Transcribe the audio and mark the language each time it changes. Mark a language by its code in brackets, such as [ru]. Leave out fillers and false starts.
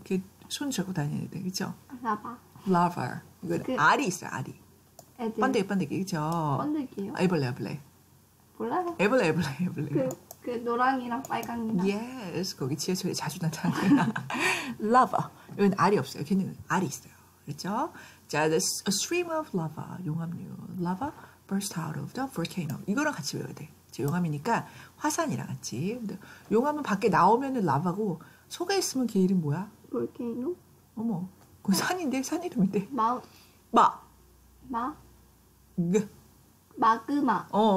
[ko] 개, 손 잡고 다녀야 돼. 그죠? [en] Lava. [ko] Lava. 이건 그... 알이 있어요, 알이. 애들. 번데기, 번데기, 그쵸? 번데기요? 애벌레, 애벌레. 몰라요? 애벌레, 애벌레, 애벌레. 그 노랑이랑 빨강이랑. Yes, 거기 지하철에 자주 나타나. Lava. 여기는 알이 없어요. 걔는 알이 있어요. 그렇죠? [en] 자, a stream of lava, 용암류. Lava burst out of the volcano. [ko] 이거랑 같이 외워야 돼. 저 용암이니까 화산이랑 같이. 근데 용암은 밖에 나오면은 라바고 속에 있으면 걔 이름 뭐야? [en] Volcano? [ko] 어머, 그 산인데? 산 이름인데? 마. 마? 그. 마그마.